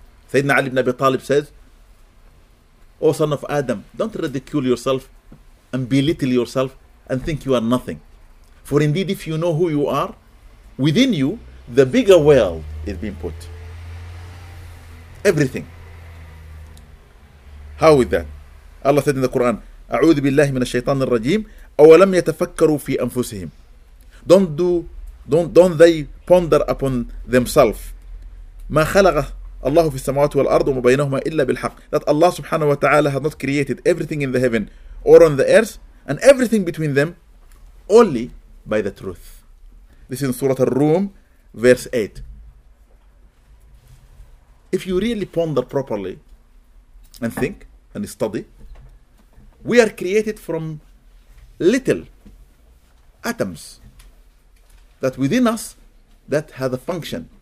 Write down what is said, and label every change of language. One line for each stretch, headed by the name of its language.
English: Sayyidina Ali ibn Abi Talib says, O son of Adam, don't ridicule yourself and belittle yourself and think you are nothing. For indeed, if you know who you are, within you, the bigger world is being put. Everything. How with that? Allah said in the Quran,
Arabic: أعوذ بالله من الشيطان الرجيم أولم يتفكروا في أنفسهم.
English: Don't they ponder upon themselves.
Arabic: ما خلق الله في السماوات والأرض وما بينهما إلا بالحق.
English: That Allah subhanahu wa ta'ala has not created everything in the heaven or on the earth and everything between them only by the truth. This is in Surah Ar-Rum, verse 8. If you really ponder properly and think and study, we are created from little atoms that within us that have a function.